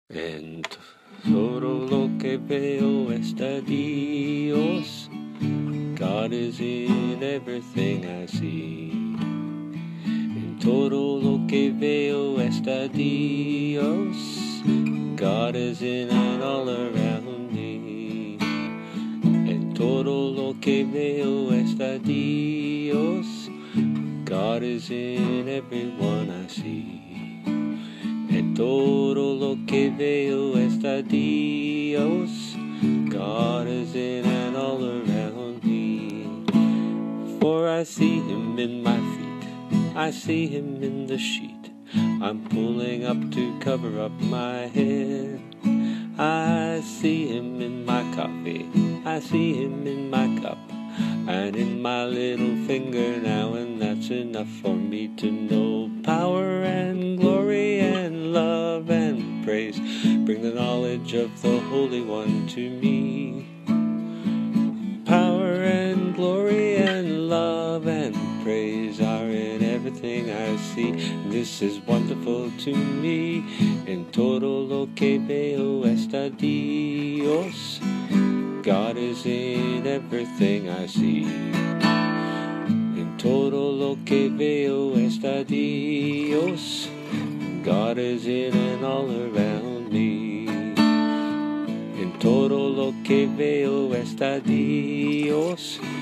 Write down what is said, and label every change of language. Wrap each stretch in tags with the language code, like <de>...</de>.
<es>En todo lo que veo es de Dios.</es> <en>God is in everything I see.</en> <es>En todo lo que veo es de Dios.</es> <en>God is in and all around me.</en> <es>En todo lo que veo es de Dios.</es> <en>God is in everyone I see.</en> <es>En todo lo que veo es de Dios.</es> <en>God is in and all around me. For I see him in my feet, I see him in the sheet. I'm pulling up to cover up my head. I see him in my coffee, I see him in my cup, and in my little finger now, and that's enough for me to know. Power and glory and love and praise bring the knowledge of the Holy One to me. Power and glory and love and praise are in everything I see. This is wonderful to me.</en> <es>En todo lo que veo está Dios.</es> <en>God is in everything I see.</en> <es>En todo lo que veo está Dios.</es> <en>God is in and all around me.</en> <es>En todo lo que veo está Dios.</es>